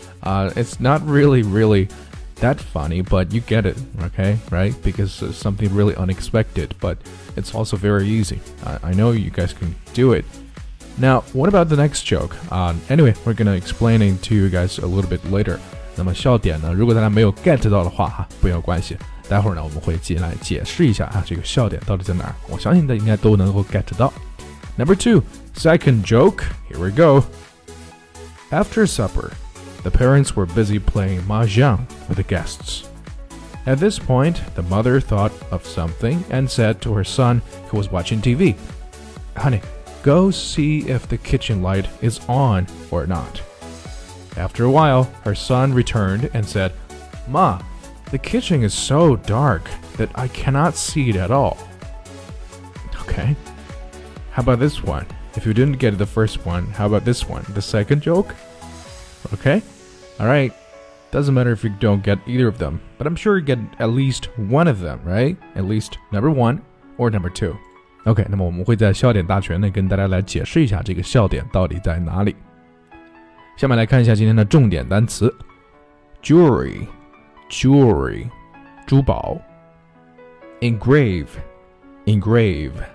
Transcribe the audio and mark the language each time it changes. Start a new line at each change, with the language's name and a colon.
English: it's not really, really that funny, but you get it, okay, right? Because it's something really unexpected, but it's also very easy. I know you guys can do it. Now, what about the next joke? Anyway, we're going to explain it to you guys a little bit later.
Chinese: 那么笑点呢，如果大家没有 get 到的话，不要关系。待会儿呢，我们会进来解释一下啊，这个笑点到底在哪儿。我相信大家应该都能够 get 到。
English: Number two, second joke, here we go. After supper... The parents were busy playing mahjong with the guests. At this point, the mother thought of something and said to her son, who was watching TV, Honey, go see if the kitchen light is on or not. After a while, her son returned and said, Ma, the kitchen is so dark that I cannot see it at all. Okay. How about this one? If you didn't get the first one, how about this one? The second joke? Okay. Alright, doesn't matter if you don't get either of them, but I'm sure you get at least one of them, right? At least number one or number two.
Chinese: Okay, 那么我们会在笑点大全内跟大家来解释一下这个笑点到底在哪里。下面来看一下今天的重点单词。
English: Jewelry, jewelry,
Chinese: 珠宝。
English: Engrave, engrave,